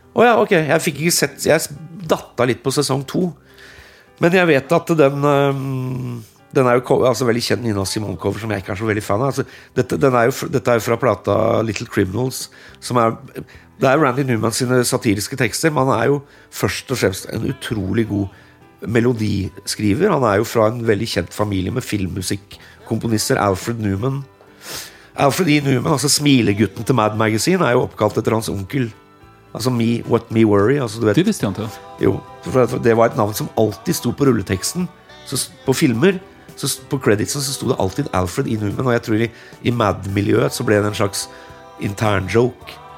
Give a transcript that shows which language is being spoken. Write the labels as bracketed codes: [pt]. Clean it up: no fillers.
[no] Oh, ja, ok, jeg fikk ikke sett, jeg datta litt på sesong 2, men jeg vet at den... [sv] Den är ju alltså väldigt känd Nina Simone cover som jag kanske är väldigt fan av. Alltså den är ju detta är från plattan Little Criminals som är det är Randy Newman sina satiriska texter. Man är ju först och främst en otroligt god melodiskriver. Han är ju från en väldigt känd familj med filmmusik komponister Alfred Newman. Alfred E. Newman alltså smilegutten till Mad Magazine är ju uppkallad efter hans onkel. Alltså [en] Me What Me Worry, [sv] alltså du vet. Det visste jag inte. Jo, för det var ett namn som alltid stod på rulletexten så på filmer. Så på creditsen så stod det alltid Alfred E. [no] Newman, og jeg tror i Mad-miljøet så ble det en slags intern joke.